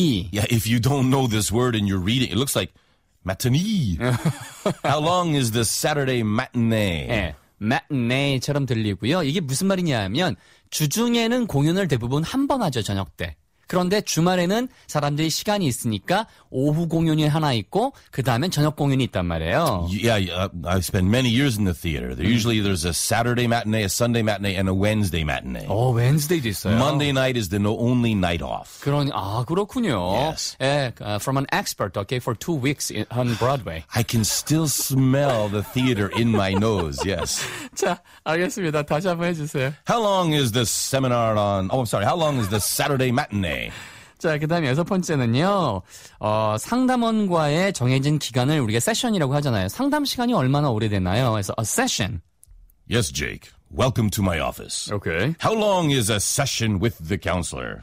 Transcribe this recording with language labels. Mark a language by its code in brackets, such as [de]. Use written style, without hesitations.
[en] Yeah, if you don't know this word and you're reading, it looks like matinee. How long is the Saturday matinee? [ko] 예, matinee처럼 들리고요. 이게 무슨 말이냐 하면 주중에는 공연을 대부분 한 번 하죠, 저녁 때. 그런데 주말에는 사람들이 시간이 있으니까 오후 공연이 하나 있고 그 다음에 저녁 공연이 있단 말이에요. [en] Yeah, I've spent many years in the theater. Usually there's a Saturday matinee, a Sunday matinee, and a Wednesday matinee. [ko] Oh, Wednesday도 있어요. [en] Monday night is the only night off. [ko] 아, 그렇군요. [en] Yes. 예, from an expert, okay, for 2 weeks on Broadway. I can still smell the theater in my nose, yes. [ko] 자, 알겠습니다. 다시 한번 해주세요. [en] How long is the seminar on, oh, I'm sorry, how long is the Saturday matinee? [ko] 자, 그 다음에 여섯 번째는요. 상담원과의 정해진 기간을 우리가 세션이라고 하잖아요. 상담 시간이 얼마나 오래되나요? 그래서 [en] a session. Yes, Jake. Welcome to my office. Okay. How long is a session with the counselor?